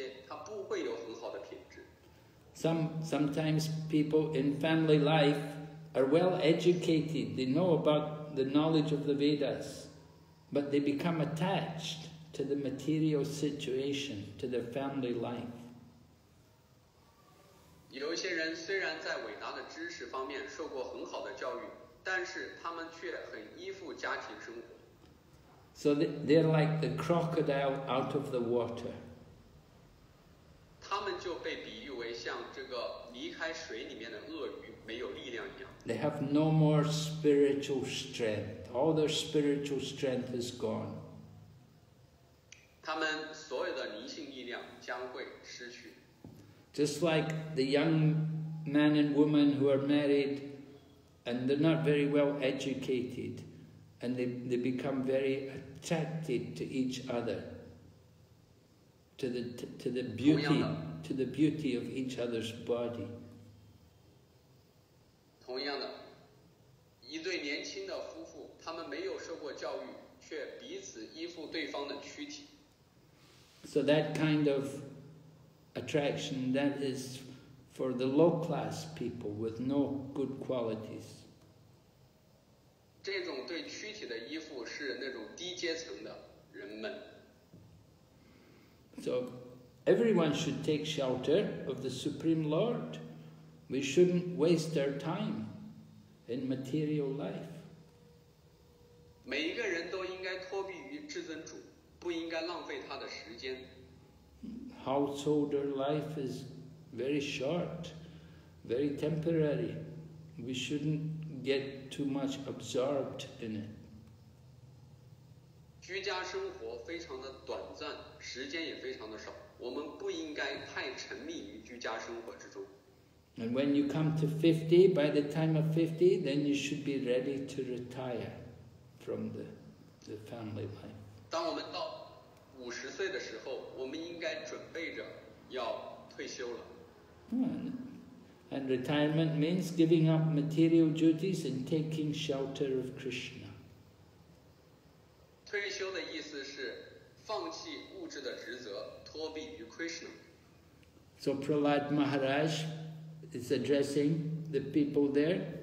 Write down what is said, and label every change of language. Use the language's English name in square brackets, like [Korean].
[Chinese] 同样的道理，这些生物如果它能够和超灵保持连接，它就会有很好的品质；如果和超灵失去连接，它不会有很好的品质。 [English] Sometimes people in family life are well educated, they know about the knowledge of the Vedas, but they become attached to the material situation, to their family life. And [Chinese] 但是他们却很依附家庭生活。 [English] So they're like the crocodile out of the water. [Chinese] 他们就被比喻为像这个离开水里面的鳄鱼，没有力量一样。 [English] They have no more spiritual strength. All their spiritual strength is gone. [Chinese] 他们所有的灵性力量将会失去。 [English] Just like the young man and woman who are married and they're not very well educated and they become very attracted to each other, to the beauty of each other's body. [Chinese] 同样的，一对年轻的夫妇，他们没有受过教育，却彼此依附对方的躯体。 [English] So that kind of attraction, that is for the low class people with no good qualities. [Chinese] 这种对躯体的依附是那种低阶层的人们。 [English] So everyone should take shelter of the Supreme Lord. We shouldn't waste our time in material life. [Chinese] 每一个人都应该托庇于至尊主，不应该浪费他的时间。 [English] Householder life is very short, very temporary. We shouldn't get too much absorbed in it. [Chinese] 居家生活非常的短暂，时间也非常的少。我们不应该太沉迷于居家生活之中。 [English] And when you come to 50, by the time of 50, then you should be ready to retire from the family life. [Chinese] 当我们到五十岁的时候，我们应该准备着要退休了。 [English] And retirement means giving up material duties and taking shelter of Krishna. [Chinese] 退休的意思是放弃物质的职责，托庇于 Krishna. [English] So Prahlad Maharaj is addressing the people there.